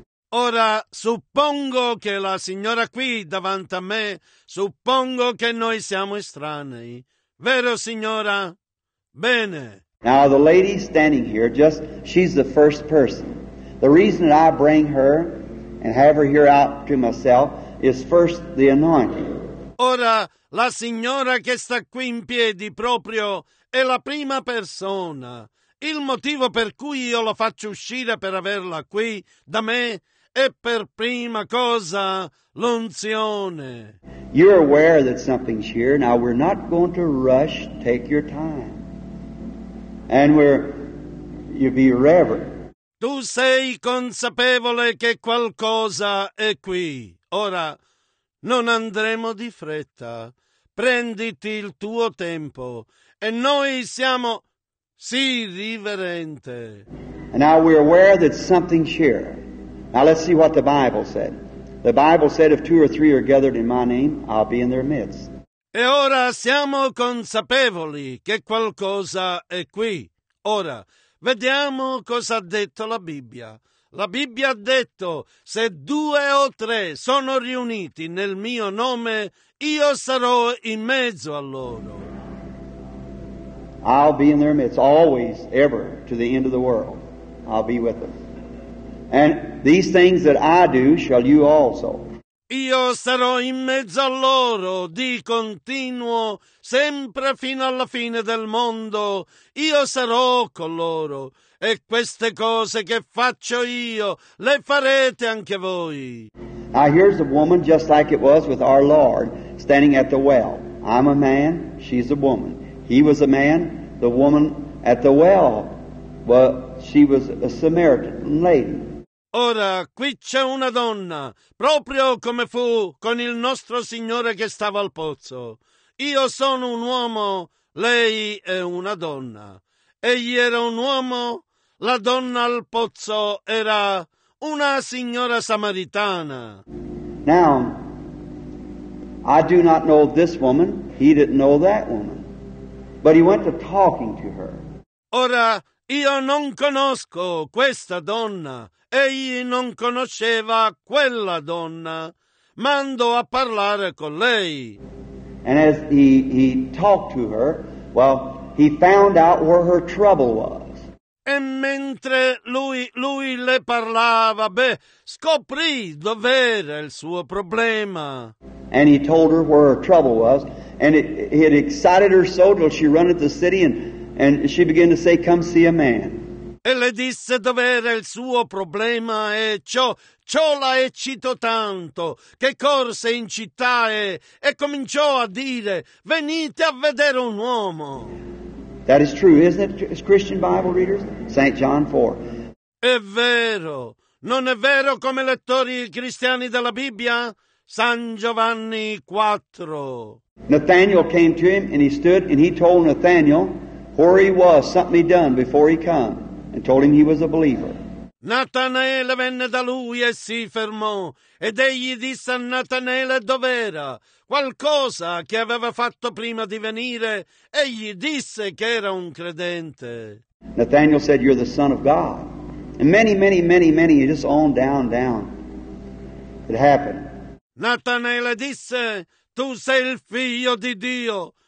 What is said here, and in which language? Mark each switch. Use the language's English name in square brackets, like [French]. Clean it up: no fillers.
[Italian] Ora, suppongo che la signora qui davanti a me, suppongo che noi siamo estranei. Vero, signora? Bene. [English] Now, the lady standing here, just she's the first person. The reason that I bring her and have her here out to myself is first the anointing. [Italian] Ora, la signora che sta qui in piedi proprio è la prima persona. Il motivo per cui io la faccio uscire per averla qui da me è per prima cosa l'unzione. [English] You're aware that something's here. Now, we're not going to rush. Take your time. And you be reverent. [Italian] Tu sei consapevole che qualcosa è qui. Ora, non andremo di fretta. Prenditi il tuo tempo. E noi siamo sì riverente. [English] And now we're aware that something's here. Now let's see what the Bible said. The Bible said, if two or three are gathered in my name, I'll be in their midst. [Italian] E ora siamo consapevoli che qualcosa è qui. Ora, vediamo cosa ha detto la Bibbia. La Bibbia ha detto, se due o tre sono riuniti nel mio nome, io sarò in mezzo a loro. [English] I'll be in their midst, always, ever, to the end of the world. I'll be with them. And these things that I do, shall you also. [Italian] Io sarò in mezzo a loro di continuo, sempre fino alla fine del mondo. Io sarò con loro e queste cose che faccio io le farete anche voi. [English] Now here's a woman just like it was with our Lord standing at the well. I'm a man, she's a woman. He was a man, the woman at the well, well, she was a Samaritan lady. [Italian] Ora, qui c'è una donna, proprio come fu con il nostro Signore che stava al pozzo. Io sono un uomo, lei è una donna. Egli era un uomo, la donna al pozzo era una signora samaritana. [English] Now, I do not know this woman, he didn't know that woman. But he went to talking to her. [Italian] Ora, io non conosco questa donna. Egli non conosceva quella donna, ma andò a parlare con lei. [English] And as he talked to her, well, he found out where her trouble was. [Italian] E mentre lui le parlava, scoprì dove era il suo problema. [English] And he told her where her trouble was, and it excited her so till she ran into the city and she began to say, come see a man. [Italian] E le disse dov'era il suo problema e ciò la eccitò tanto che corse in città e cominciò a dire venite a vedere un uomo. [English] That is true, isn't it, Christian Bible readers? St. John 4. [Italian] È vero. Non è vero come lettori cristiani della Bibbia? San Giovanni 4. [English] Nathanael came to him and he stood and he told Nathanael where he was, something he done before he come, and told him he was a believer. [Italian] Natanaele venne da lui e si fermò, ed egli disse a Natanaele dov'era, qualcosa che aveva fatto prima di venire, egli disse che era un credente. [English] Nathanael said, you're the son of God. And many, just on down. It happened. [Italian] Natanaele disse, tu sei il figlio di Dio.